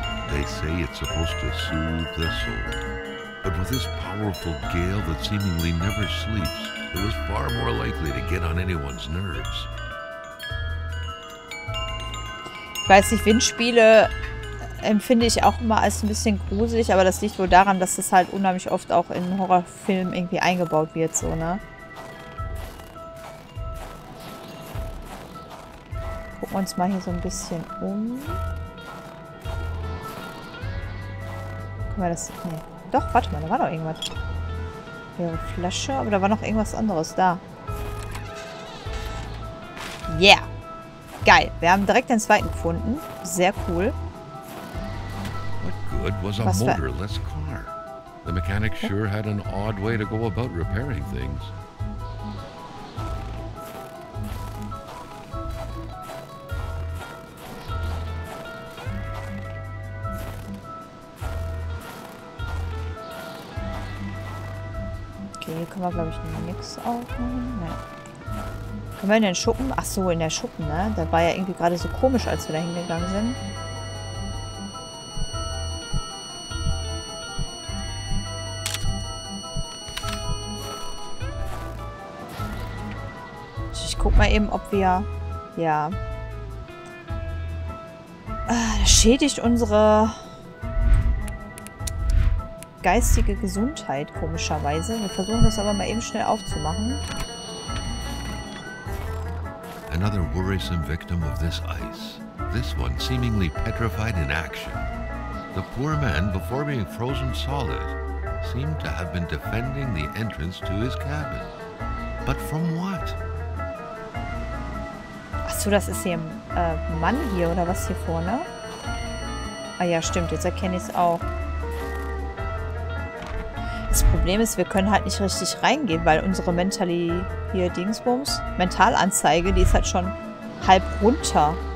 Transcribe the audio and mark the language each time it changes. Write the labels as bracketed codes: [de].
[en] They say it's supposed to soothe the soul. But with this powerful gale that seemingly never sleeps, it was far more likely to get on anyone's nerves. [de] Ich weiß nicht, Windspiele empfinde ich auch immer als ein bisschen gruselig, aber das liegt wohl daran, dass das halt unheimlich oft auch in Horrorfilmen irgendwie eingebaut wird, so, ne? Gucken wir uns mal hier so ein bisschen um. Guck mal, das... Nee. Doch, warte mal, da war doch irgendwas. Leere Flasche, aber da war noch irgendwas anderes da. Yeah! Geil, wir haben direkt den zweiten gefunden. Sehr cool. [en] What good was a motorless car? The mechanic sure had an odd way to go about repairing things. [de] Okay, hier können wir, glaube ich, nichts aufnehmen. Nein. Können wir in den Schuppen? Ach so, in der Schuppen, ne? Da war ja irgendwie gerade so komisch, als wir da hingegangen sind. Ich guck mal eben, ob wir... Ja. Das schädigt unsere... geistige Gesundheit, komischerweise. Wir versuchen das aber mal eben schnell aufzumachen. [en] Another worrisome victim of this ice. This one seemingly petrified in action. The poor man, before being frozen solid, seemed to have been defending the entrance to his cabin. But from what? [de] Achso, das ist hier ein Mann hier, oder was hier vorne? Ah ja, stimmt, jetzt erkenne ich es auch. Das Problem ist, wir können halt nicht richtig reingehen, weil unsere Mentalanzeige, die ist halt schon halb runter.